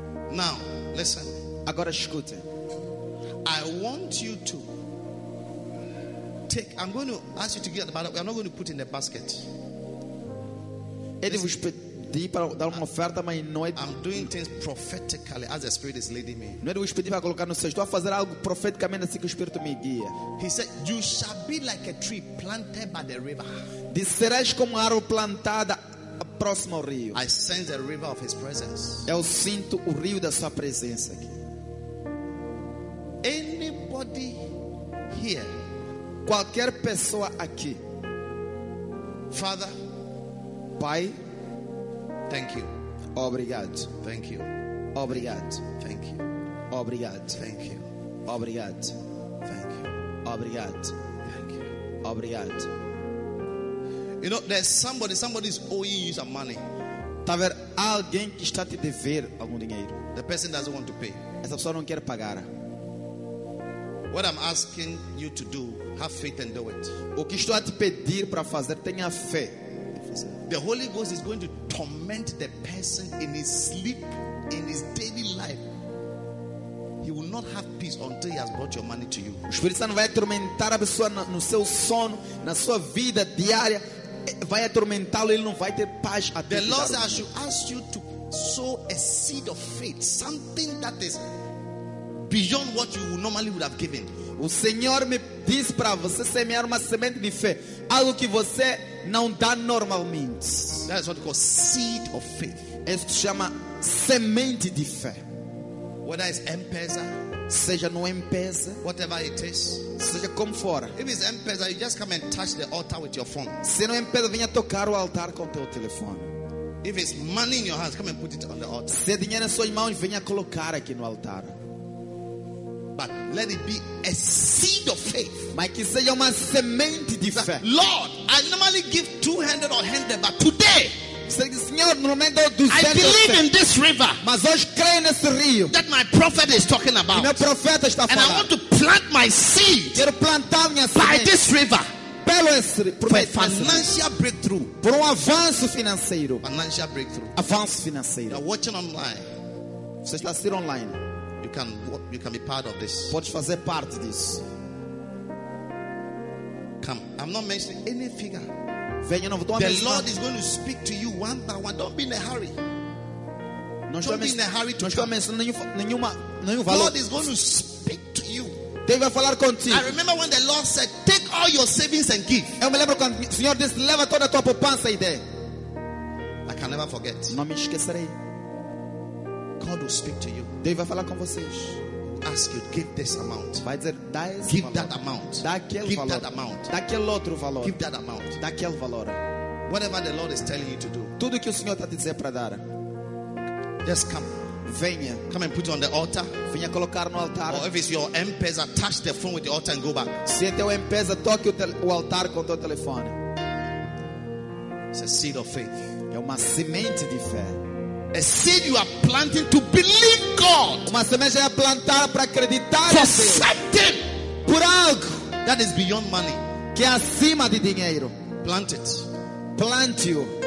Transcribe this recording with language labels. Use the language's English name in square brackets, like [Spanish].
[English] Now, listen. [Portuguese] Agora escute. [English] I want you to take. I'm going to ask you to give the ballot. We are not going to put it in the basket. [Portuguese] Ele vos pedir para dar uma oferta, mas não é. [English] I'm doing things prophetically as the Spirit is leading me. [Portuguese] Não é de vos pedir para colocar no céu. Estou a fazer algo profeticamente assim que o Espírito me guia. [English] He said, "You shall be like a tree planted by the river." [Portuguese] De serás como uma árvore plantada. Próximo ao rio. [English] I sense the river of his presence. [Portuguese] Eu sinto o rio da sua presença aqui. [English] Anybody here? [Portuguese] Qualquer pessoa aqui. [English] Father, [Portuguese] Pai, [English] thank you. [Portuguese] Obrigado. [English] Thank you. [Portuguese] Obrigado. [English] Thank you. [Portuguese] Obrigado. [English] Thank you. [Portuguese] Obrigado. [English] Thank you. [Portuguese] Obrigado. [English] Thank you. [Portuguese] Obrigado. [English] You know, there's somebody is owing you some money. [Portuguese] Tá ver alguém que está te dever algum dinheiro. [English] The person doesn't want to pay. [Portuguese] Essa pessoa não quer pagar. [English] What I'm asking you to do, have faith and do it. [Portuguese] O que estou a te pedir para fazer, tenha fé. [English] The Holy Ghost is going to torment the person in his sleep, in his daily life. He will not have peace until he has brought your money to you. [Portuguese] O Espírito Santo vai atormentar a pessoa no seu sono, na sua vida diária. Vai atormentá-lo, ele não vai ter paz até. [English] The Lord has asked you to sow a seed of faith, something that is beyond what you normally would have given. [Portuguese] O Senhor me diz para você semear uma semente de fé, algo que você não dá normalmente. [English] That is what we call seed of faith. [Portuguese] Isso se chama semente de fé. [English] Whether it's M-Pesa, [Portuguese] seja no M-Pesa, [English] whatever it is, [Portuguese] seja como for. [English] If it's M-Pesa, you just come and touch the altar with your phone. [Portuguese] Se no M-Pesa, venha tocar o altar com teu telefone. [English] If it's money in your hands, come and put it on the altar. [Portuguese] Se dinheiro nas suas mãos, venha colocar aqui no altar. [English] But let it be a seed of faith. [Portuguese] Mas que seja uma semente de fé. [English] Lord, I normally give 200 or 100, but today. [Portuguese] Senhor, no momento dos [English] I believe in this river. [Portuguese] Mas hoje creio nesse rio. [English] That my prophet is talking about. [Portuguese] Meu profeta está falando. [English] And I want to plant my seed. [Portuguese] Quero plantar minha semente. [English] By this river. [Portuguese] Pelo esse rio. [English] For a financial breakthrough. [Portuguese] Por avanço financeiro. [English] Financial breakthrough. [Portuguese] Avanço financeiro. [English] You are watching online. [Portuguese] Você está assistindo online. [English] You can be part of this. [Portuguese] Pode fazer parte disso. [English] Come. I'm not mentioning any figure. [Portuguese] Venha novo. [English] The Lord is going to speak to you one by one. Don't be in a hurry. God is going to speak to you. [Portuguese] Deus vai falar contigo. [English] I remember when the Lord said, "Take all your savings and give." [Portuguese] Eu me lembro quando o Senhor disse, "Leva toda a tua poupança e dê." [English] I can never forget. [Portuguese] Não me esquecerei. [English] God will speak to you. [Portuguese] Deus vai falar com vocês. [English] Ask you, give this amount. [Portuguese] Vai dizer, dá esse [English] give [Portuguese] valor. [English] That amount. [Portuguese] Dá aquele [English] give [Portuguese] valor. [English] That amount. [Portuguese] Dá aquele outro valor. [English] Give that amount. [Portuguese] Dá aquele valor. [English] Whatever the Lord is telling you to do. [Portuguese] Tudo que o Senhor está a dizer para dar. [English] Just come. [Portuguese] Venha. [English] Come and put it on the altar. [Portuguese] Venha colocar no altar. [English] Or if it's your M-Pesa, touch the phone with the altar and go back. [Portuguese] Se é teu M-Pesa, toque o altar com teu telefone. [English] It's a seed of faith. [Portuguese] É uma semente de fé. [English] A seed you are planting to believe God. [Portuguese] Uma semente é plantar para acreditar em Deus. [English] For something. [Portuguese] Por algo. [English] That is beyond money. [Portuguese] Que é acima de dinheiro. [English] Plant it. [Portuguese] Plante-o.